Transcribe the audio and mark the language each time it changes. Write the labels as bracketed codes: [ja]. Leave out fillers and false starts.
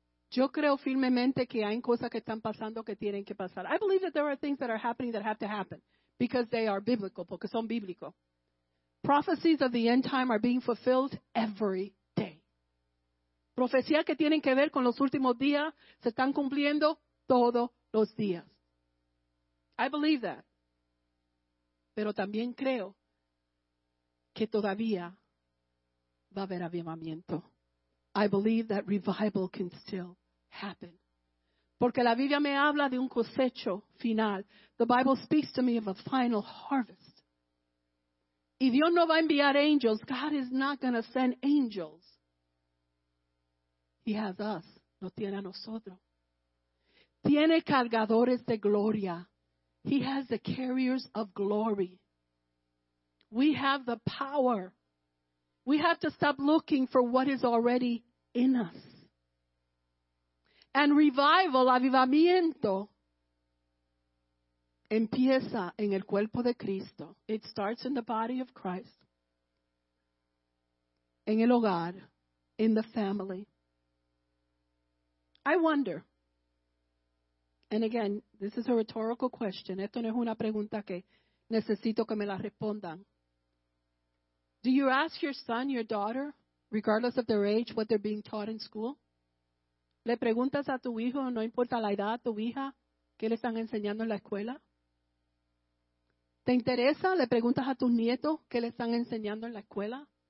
[es] Yo creo firmemente que hay cosas que están pasando que tienen que pasar. [en] I believe that there are things that are happening that have to happen. Because they are biblical, [es] porque son bíblicos. [en] Prophecies of the end time are being fulfilled every day. [es] Profecías que tienen que ver con los últimos días se están cumpliendo todos los días. [en] I believe that. [es] Pero también creo que todavía va a haber avivamiento. [en] I believe that revival can still happen. [es] Porque la Biblia me habla de un cosecho final. [en] The Bible speaks to me of a final harvest. [es] Y Dios no va a enviar angels. [en] God is not going to send angels. He has us. [es] No tiene a nosotros. Tiene cargadores de gloria. [en] He has the carriers of glory. We have the power. We have to stop looking for what is already in us. And revival, [es] avivamiento, empieza en el cuerpo de Cristo. [en] It starts in the body of Christ. [es] En el hogar, [en] in the family. I wonder, and again, this is a rhetorical question. [es] Esto no es una pregunta que necesito que me la respondan. [en] Do you ask your son, your daughter, regardless of their age, what they're being taught in school? [es] ¿Le preguntas a tu hijo, no importa la edad, tu hija, qué le están enseñando en la escuela? ¿Te interesa? ¿Le preguntas a tus nietos qué le están enseñando en la escuela?